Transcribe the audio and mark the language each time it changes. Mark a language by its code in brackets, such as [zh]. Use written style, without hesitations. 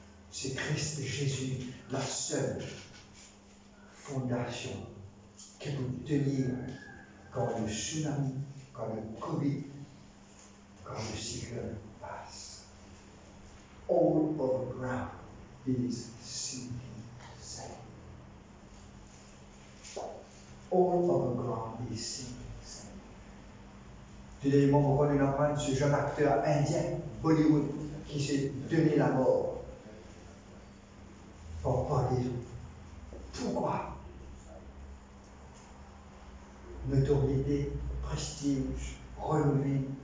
[fr] C'est Christ et Jésus, la seule fondation qui peut tenir quand le tsunami, quand le Covid, quand le cyclone passe. [en] All of ground is sinking sand. All of the ground is sinking sand. [fr] Deuxièmement, on voit une empreinte de ce jeune acteur indien, Bollywood, qui s'est donné la mort. Pourquoi des autres? Pourquoi? Notoriété, prestige, renommée.